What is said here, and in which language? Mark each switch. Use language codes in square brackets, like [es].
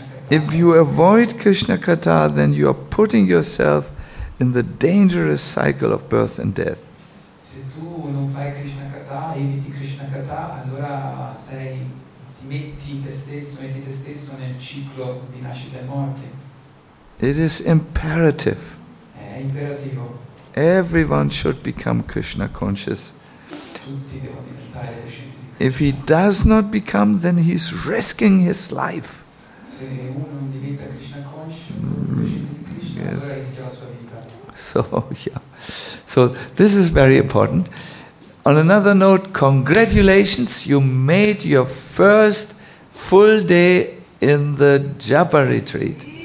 [en] If you avoid Krishna Katha, then you are putting yourself in the dangerous cycle of birth and death. [it] Se tu non fai Krishna Katha, eviti Krishna Katha, allora ti metti te stesso nel ciclo di nascita e morte. [en] It is imperative. [it] Imperativo. [en] Everyone should become Krishna conscious. [it] Tutti devono diventare coscienti di Krishna. [en] If he does not become, then he's risking his life. [it] Se uno non diventa [en] Krishna conscious, [it] coscienti di Krishna, allora rischia la sua vita. [en] So, yeah. So, this is very important. On another note, congratulations, you made your first full day in the Japa retreat.